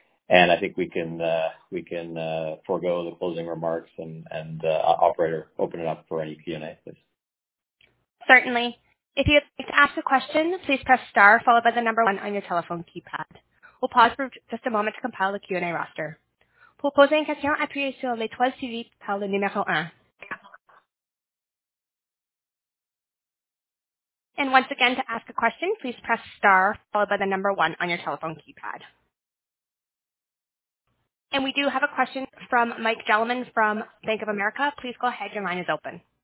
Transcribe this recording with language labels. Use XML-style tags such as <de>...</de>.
<en>And I think we can forego the closing remarks and operator, open it up for any Q&A, please. Certainly. If you'd like to ask a question, please press star followed by the number one on your telephone keypad. We'll pause for just a moment to compile the Q&A roster.</en> <fr>Pour poser une question, appuyez sur l'étoile suivie par le numéro un.</fr> <en>And once again, to ask a question, please press star followed by the number one on your telephone keypad. And we do have a question from Mike Gelman from Bank of America. Please go ahead. Your line is open.</en>